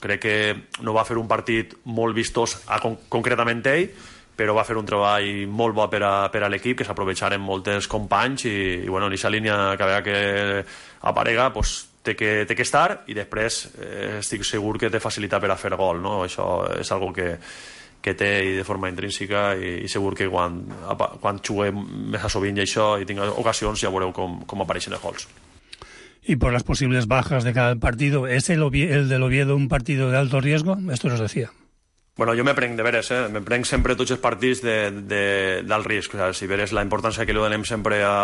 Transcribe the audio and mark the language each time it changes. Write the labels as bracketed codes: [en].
[ca] Crec que no va fer un partit molt vistós concretament ell, però va fer un treball molt bo per a l'equip, que s'aprovecharen moltes companys i bueno, en aquesta línia que veia que aparega, pues, té que estar, i després estic segur que té facilitat per a fer gol, no? Això és algo que té i de forma intrínseca, i segur que quan juguem més a sovint i això i tinc ocasions, ja veureu com apareixen els gols. [es] Y por las posibles bajas de cada partido, ¿es el del Oviedo un partido de alto riesgo? Esto nos decía. Bueno, yo me [ca] prenc de veres, me prenc sempre tots els partits d'alt risc. [es] O sea, [ca] si veres la importància que li donem sempre